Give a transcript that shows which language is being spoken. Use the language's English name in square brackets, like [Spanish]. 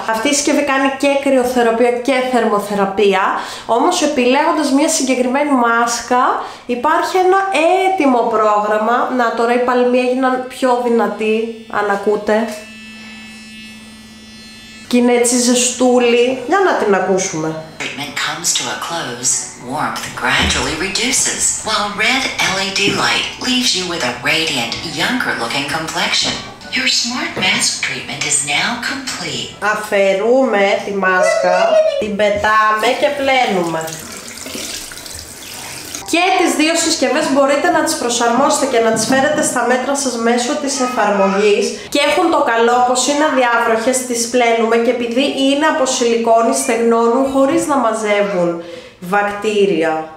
[Greek] Αυτή η συσκευή κάνει και κρυοθεραπεία και θερμοθεραπεία, όμως επιλέγοντας μια συγκεκριμένη μάσκα υπάρχει ένα έτοιμο πρόγραμμα. Να τώρα οι παλμοί έγιναν πιο δυνατοί, αν ακούτε. Και είναι έτσι ζεστούλη. Για να την ακούσουμε. [English] Treatment comes to a close, warmth gradually reduces, while red LED light leaves you with a radiant, younger looking complexion. Your smart mask treatment is now complete. [Greek] Αφαιρούμε τη μάσκα, την πετάμε και πλένουμε. Και τις δύο συσκευές μπορείτε να τις προσαρμόσετε και να τις φέρετε στα μέτρα σας μέσω της εφαρμογής. Και έχουν το καλό πως είναι αδιάβροχες, τις πλένουμε και επειδή είναι από σιλικόνη στεγνώνουν χωρίς να μαζεύουν βακτήρια.